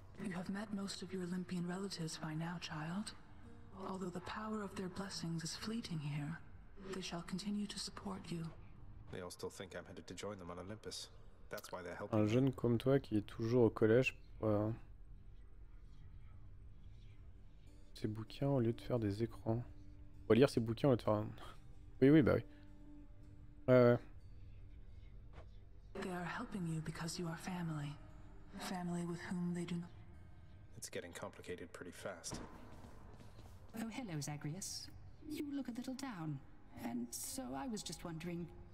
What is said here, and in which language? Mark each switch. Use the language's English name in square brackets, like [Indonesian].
[English] You have met most of your Olympian relatives by now, child. Although the power of their blessings is fleeting here, they shall continue to support you. They all still think I'm headed to join them on Olympus. That's why they're helping. [French] Un jeune comme toi qui est toujours au collège pour ses bouquins au lieu de faire des écrans. Pour lire ses bouquins au lieu de faire un... Oui, oui, bah oui. [English] They are helping you because you are family. Family with whom they do not... It's getting complicated pretty fast. Oh, hello, Zagreus. You look a little down. And so I was just wondering...